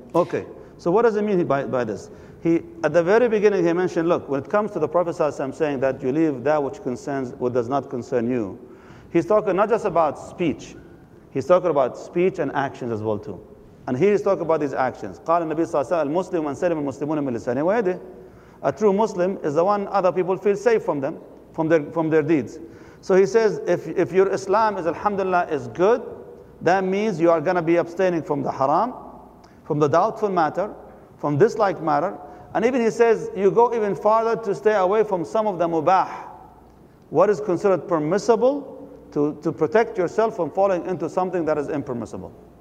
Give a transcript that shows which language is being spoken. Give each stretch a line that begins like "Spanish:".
English: Okay, so what does it mean by this? He, at the very beginning, he mentioned, look, when it comes to the Prophet ﷺ saying that you leave that which concerns what does not concern you, he's talking not just about speech, he's talking about speech and actions as well too. And here he's talking about these actions.
Arabic: قال النبي صلى الله عليه وسلم المسلم من سلم المسلمون من لسانه ويده.
English: A true Muslim is the one other people feel safe from them, from their deeds. So he says, if your Islam is, alhamdulillah, is good, that means you are going to be abstaining from the haram, from the doubtful matter, from dislike matter. And even he says, you go even farther to stay away from some of the mubah, what is considered permissible to protect yourself from falling into something that is impermissible.